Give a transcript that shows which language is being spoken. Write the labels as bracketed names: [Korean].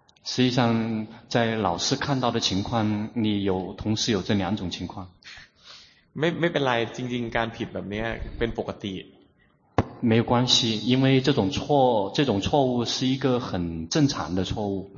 [Chinese] 实际上在老师看到的情况你有同时有这两种情况 [Thai] ไม่เป็นไรจริงๆการผิดแบบนี้เป็นปกติ [Chinese] 没关系因为这种错误是一个很正常的错误